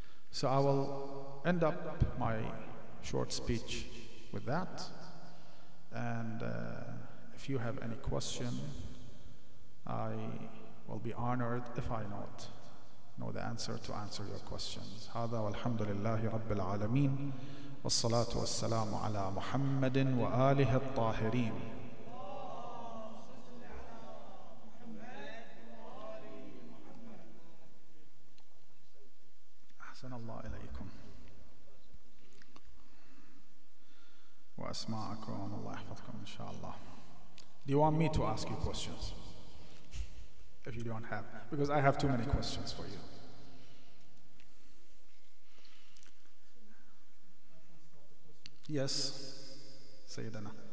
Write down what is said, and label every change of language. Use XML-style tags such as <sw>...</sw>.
<en>So I will end up my short speech with that. And if you have any question, I will be honored if I not know the answer to answer your questions.</en> <ar>هذا والحمد لله رب العالمين والصلاة والسلام على محمد وآله الطاهرين. أحسن الله إليكم وأسمعكم الله يحفظكم إن شاء الله.</ar> <en>Do you want me to ask you questions? If you don't have, because I have too many questions for you. Yes, Sayyidina.</en>